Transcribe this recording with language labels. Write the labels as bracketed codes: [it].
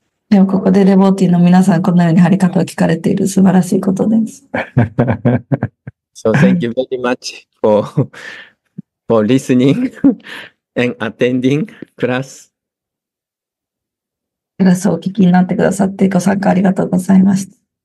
[ja] でもここでレボーティーの皆さんこのようにハリカタを聞かれている素晴らしいことです。 [en] So thank you very much for listening and attending class. [ja] クラスをお聞きになってくださってご参加ありがとうございました。